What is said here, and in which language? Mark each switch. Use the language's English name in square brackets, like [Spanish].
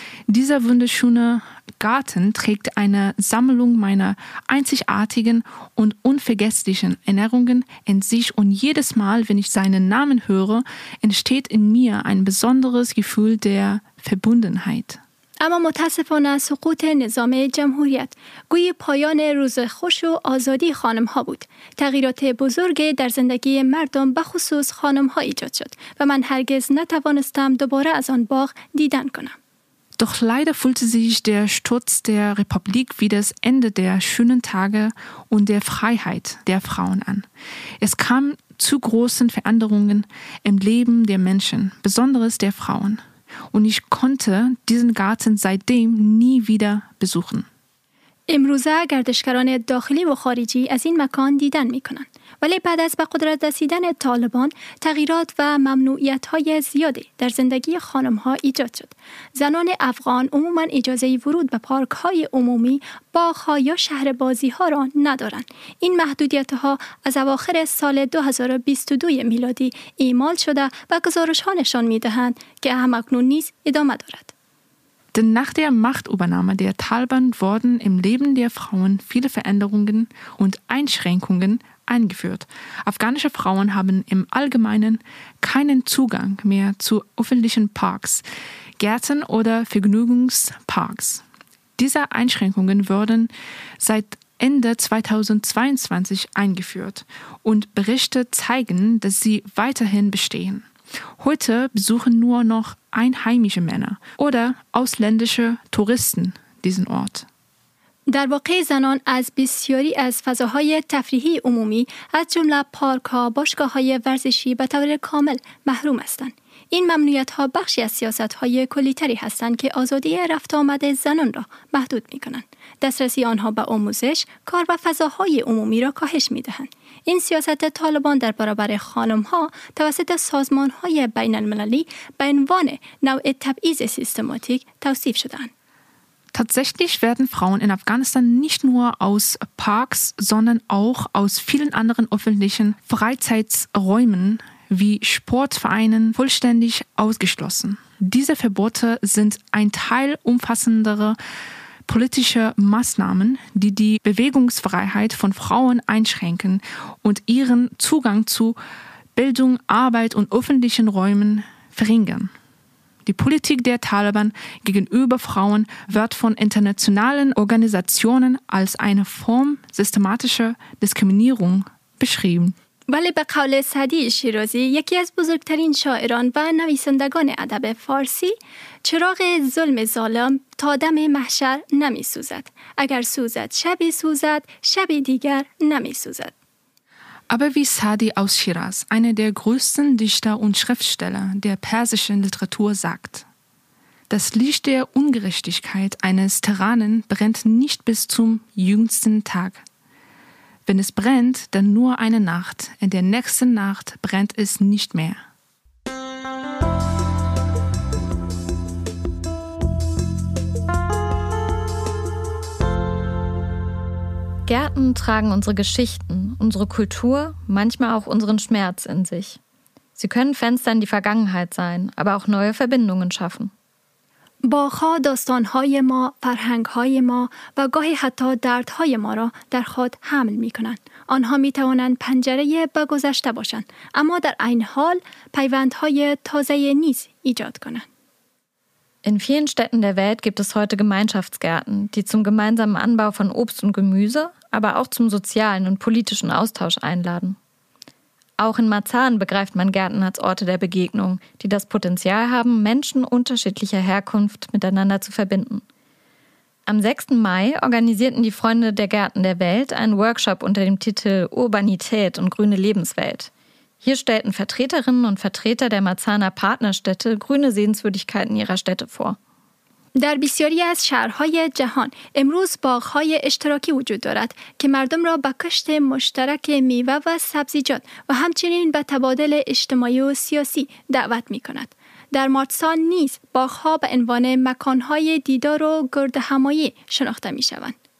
[German] Dieser wunderschöne Garten trägt eine Sammlung meiner einzigartigen und unvergesslichen Erinnerungen in sich und jedes Mal, wenn ich seinen Namen höre, entsteht in mir ein besonderes Gefühl der Verbundenheit. [Persian] اما متاسفانه سقوط نظام جمهوریت گوی پایان روز خوش و آزادی خانم ها بود. تغییرات بزرگ در زندگی مردم بخصوص خانم ها ایجاد شد و من هرگز نتوانستم دوباره از آن باغ دیدن کنم. [German] Doch leider fühlte sich der Sturz der Republik wie das Ende der schönen Tage und der Freiheit der Frauen an. Es kam zu großen Veränderungen im Leben der Menschen, besonders der Frauen. Und ich konnte diesen Garten seitdem nie wieder besuchen. [Persian] امروزه گردشگران داخلی و خارجی از این مکان دیدن میکنن. ولی بعد از به قدرت رسیدن طالبان، تغییرات و ممنوعیت‌های زیادی در زندگی خانم‌ها ایجاد شد. زنان افغان عموماً اجازه ورود به پارک‌های عمومی، باغ‌ها یا شهر بازی‌ها را ندارند. این محدودیت‌ها از اواخر سال 2022 میلادی اعمال شده و گزارش‌ها نشان می‌دهند که هم‌اکنون نیز ادامه دارد. [German] Denn nach der Machtübernahme der Taliban wurden im Leben der Frauen viele Veränderungen und Einschränkungen eingeführt. Afghanische Frauen haben im Allgemeinen keinen Zugang mehr zu öffentlichen Parks, Gärten oder Vergnügungsparks. Diese Einschränkungen wurden seit Ende 2022 eingeführt und Berichte zeigen, dass sie weiterhin bestehen. Heute besuchen nur noch einheimische Männer oder ausländische Touristen diesen Ort. [Persian] در واقع زنان از بسیاری از فضاهای تفریحی عمومی از جمله پارک‌ها، باشگاه‌های ورزشی به طور کامل محروم هستند. این ممنوعیت‌ها بخشی از سیاست‌های کلی‌تری هستند که آزادی رفت آمد زنان را محدود می‌کنند. دسترسی آنها به آموزش، کار و فضاهای عمومی را کاهش می‌دهند. این سیاست طالبان در برابر خانم‌ها توسط سازمان‌های بین‌المللی به عنوان نوع تبعیض سیستماتیک توصیف شده‌اند. [German] Tatsächlich werden Frauen in Afghanistan nicht nur aus Parks, sondern auch aus vielen anderen öffentlichen Freizeiträumen wie Sportvereinen vollständig ausgeschlossen. Diese Verbote sind ein Teil umfassenderer politischer Maßnahmen, die die Bewegungsfreiheit von Frauen einschränken und ihren Zugang zu Bildung, Arbeit und öffentlichen Räumen verringern. Die Politik der Taliban gegenüber Frauen wird von internationalen Organisationen als eine Form systematischer Diskriminierung beschrieben. [Persian] ولی به قول سعدی شیرازی یکی از بزرگترین شاعران و نویسندگان ادب فارسی چراغ ظلم ظالم تا دم محشر نمی سوزد. اگر سوزد شبی سوزد شبی دیگر نمی سوزد. [German] Aber wie Sadi aus Shiraz, einer der größten Dichter und Schriftsteller der persischen Literatur, sagt, das Licht der Ungerechtigkeit eines Tyrannen brennt nicht bis zum jüngsten Tag. Wenn es brennt, dann nur eine Nacht. In der nächsten Nacht brennt es nicht mehr. Gärten tragen unsere Geschichten, unsere Kultur, manchmal auch unseren Schmerz in sich. Sie können Fenster in die Vergangenheit sein, aber auch neue Verbindungen schaffen. [Persian] باغ‌ها داستان‌های ما، فرهنگ‌های ما و گاهی حتی دردهای ما را در خود حمل می‌کنند. آنها می‌توانند پنجره به گذشته باشند، اما در عین حال پیوندهای تازه‌ای نیز ایجاد کنند. [German] In vielen Städten der Welt gibt es heute Gemeinschaftsgärten, die zum gemeinsamen Anbau von Obst und Gemüse, aber auch zum sozialen und politischen Austausch einladen. Auch in Marzahn begreift man Gärten als Orte der Begegnung, die das Potenzial haben, Menschen unterschiedlicher Herkunft miteinander zu verbinden. Am 6. Mai organisierten die Freunde der Gärten der Welt einen Workshop unter dem Titel Urbanität und grüne Lebenswelt. Hier stellten Vertreterinnen und Vertreter der Marzahner Partnerstädte grüne Sehenswürdigkeiten ihrer Städte vor. [Persian] در بسیاری از شهرهای جهان امروز باغ‌های اشتراکی وجود دارد که مردم را به کشت مشترک میوه و سبزیجات و همچنین به تبادل اجتماعی و سیاسی دعوت می‌کند. در مارتسان نیز باغ‌ها به عنوان مکان‌های دیدار و گردهمایی شناخته می‌شوند.